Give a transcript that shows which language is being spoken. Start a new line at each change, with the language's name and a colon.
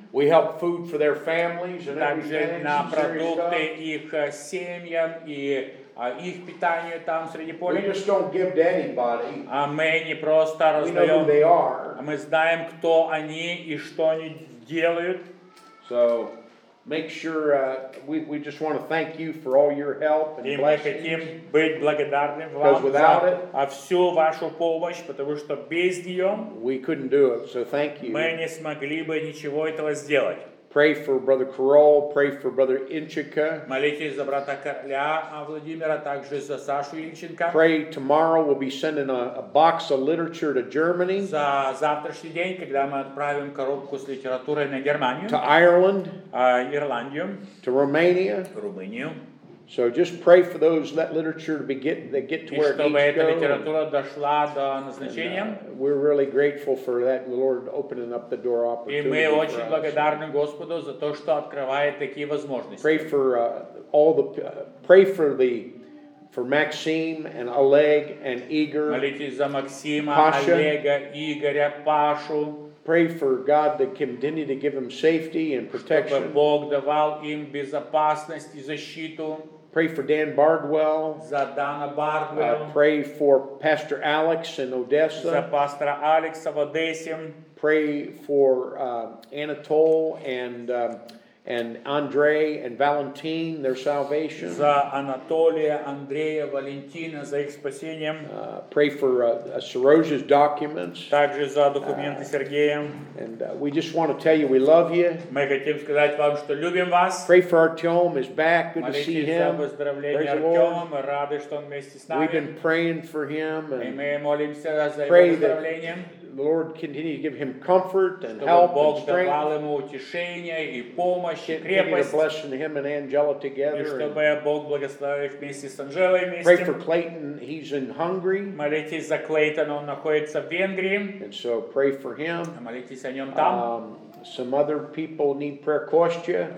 English: We help food for their families and
Russian: также
English: everything.
Russian: На продукты их семьям и их питание там среди поля.
English: We just don't give to anybody.
Russian: А мы не просто раздаем.
English: We know who they are.
Russian: А мы знаем, кто они и что они делают.
English: So make sure we just want to thank you for all your help and blessings.
Russian: И мы хотим быть благодарны вам за всю вашу помощь, потому что без нее
English: we couldn't do it. So thank you.
Russian: Мы не смогли бы ничего этого сделать.
English: Pray for Brother Carol. Pray for Brother Inchika.
Russian: Молитесь за брата Короля Владимира, также за Сашу Инченко.
English: Pray tomorrow. We'll be sending a box of literature to Germany.
Russian: За завтрашний день, когда мы отправим коробку с литературой на Германию.
English: To Ireland.
Russian: Ирландию.
English: To Romania.
Russian: Румынию.
English: So just pray for those that literature to be get that get to
Russian: и
English: where it needs to go.
Russian: И чтобы эта литература дошла до назначения.
English: And, we're really grateful for that, Lord, opening up the door opportunity.
Russian: И мы очень благодарны Господу за то, что открывает такие возможности.
English: Pray for all the pray for the for Maxime and Oleg and Igor.
Russian: Молитесь за Максима, Олега, Игоря, Пашу.
English: Pray for God to continue to give them safety and protection.
Russian: Чтобы Бог давал им безопасность и защиту.
English: Pray for Dan Bardwell.
Russian: За Дана Бардвелла.
English: Pray for Pastor Alex in Odessa.
Russian: За пастора Алекса в Одессе.
English: Pray for Anatole and Andre and Valentin, their salvation.
Russian: За Анатолия, Андрея, Валентина, за их спасение.
English: Pray for Seroja's documents.
Russian: Также за документы Сергея.
English: And we just want to tell you we love you.
Russian: Мы хотим сказать вам, что любим вас.
English: Pray for Artyom, he's back. Good
Russian: молитесь
English: to see him.
Russian: Молитесь за выздоровление Артема. Мы рады, что он вместе с нами.
English: We've been praying for him.
Russian: И мы молимся за
English: pray
Russian: его выздоровление.
English: That the Lord continued to give him comfort and help and strength.
Russian: Давал ему утешение и помощь, и крепость.
English: Continue to bless him and Angela together.
Russian: И чтобы Бог благословил их вместе с Анжелой вместе.
English: Pray for Clayton, he's in Hungary.
Russian: Молитесь за Клейтона, он находится в Венгрии.
English: And so pray for him.
Russian: Молитесь о нем там.
English: Some other people need prayer, Костя.